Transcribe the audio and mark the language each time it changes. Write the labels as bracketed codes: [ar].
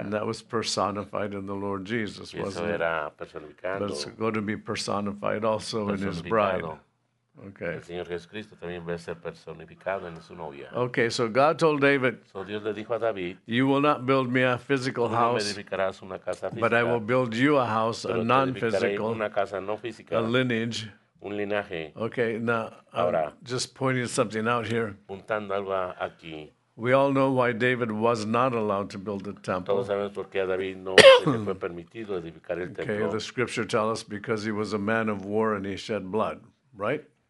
[en] And that was personified in the Lord Jesus, wasn't [es] eso era [en] it? [es] Personificado. [en] But it's going to be personified also in his bride. Okay. [es] El Señor Jesucristo también va a ser personificado en su novia. [en] Okay, so God told David, [es] so Dios le dijo a David, [en] you will not build me a physical house, [es] no me edificarás una casa física, [en] but I will build you a house, [es] pero [en] a non-physical, [es] una casa no física, [en] a lineage. [es] Un linaje. [en] Okay, now, [es] ahora, [en] just pointing something out here. [es] Puntando algo aquí. [en] We all know why David was not allowed to build the temple. [es] Todos sabemos por qué a David no se le fue permitido edificar el templo. [en] Okay, the scripture tells us because he was a man of war and he shed blood, right?